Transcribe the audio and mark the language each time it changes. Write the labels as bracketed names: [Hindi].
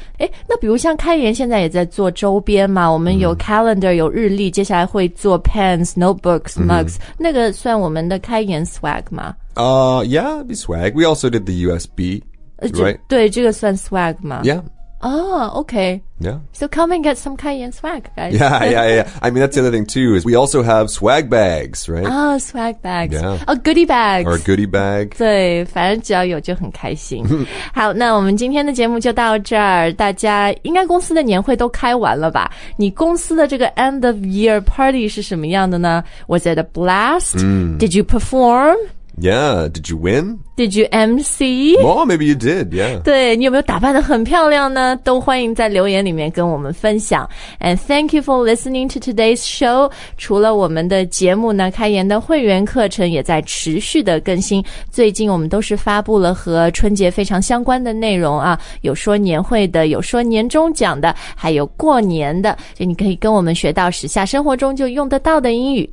[Chinese] 诶，那比如像开颜现在也在做周边嘛，我们有 calendar, 有日历，接下来会做 pens, notebooks, mugs, 那个算我们的开颜 swag 吗？ [English] Yeah, it'd be swag. We also did the USB, right? [Chinese] 对，这个算 swag 吗 [English] ？Yeah. Oh, okay. Yeah. So come and get some Kaiyan swag, guys. Yeah. I mean, that's the other thing, too, is we also have swag bags, right? Oh, swag bags. Yeah. Oh, goodie bags. Or a goodie bag. [Chinese] 对，反正只要有就很开心。好，那我们今天的节目就到这儿。大家应该公司的年会都开完了吧？你公司的这个 [English] end of year party [Chinese] 是什么样的呢？ [English] Was it a blast? Did you perform? Yeah, did you win? Did you MC? Well, maybe you did, yeah. [Chinese] 对，你有没有打扮得很漂亮呢？都欢迎在留言里面跟我们分享。 [English] And thank you for listening to today's show. [Chinese] 除了我们的节目呢，开言的会员课程也在持续的更新。最近我们都是发布了和春节非常相关的内容啊，有说年会的，有说年终奖的，还有过年的。所以你可以跟我们学到时下生活中就用得到的英语。